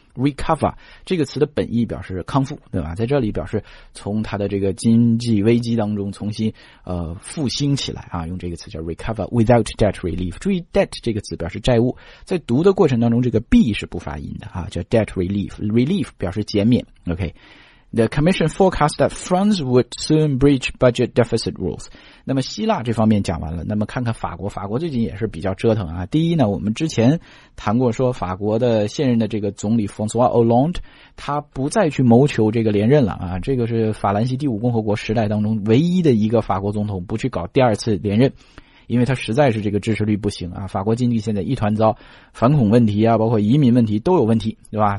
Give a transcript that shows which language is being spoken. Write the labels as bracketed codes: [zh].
[zh] recover 这个词的本意表示康复，对吧？在这里表示从他的这个经济危机当中重新复兴起来啊，用这个词叫 recover without debt relief。注意 debt 这个词表示债务，在读的过程当中这个 b 是不发音的啊，叫 debt relief， relief 表示减免。 [en] OK， the commission forecast that France would soon breach budget deficit rules。 [zh] 那么希腊这方面讲完了，那么看看法国最近也是比较折腾啊。第一呢，我们之前谈过说法国的现任的这个总理 François Hollande 他不再去谋求这个连任了啊，这个是法兰西第五共和国时代当中唯一的一个法国总统不去搞第二次连任，因为他实在是这个支持率不行啊，法国经济现在一团糟，反恐问题啊，包括移民问题都有问题，对吧？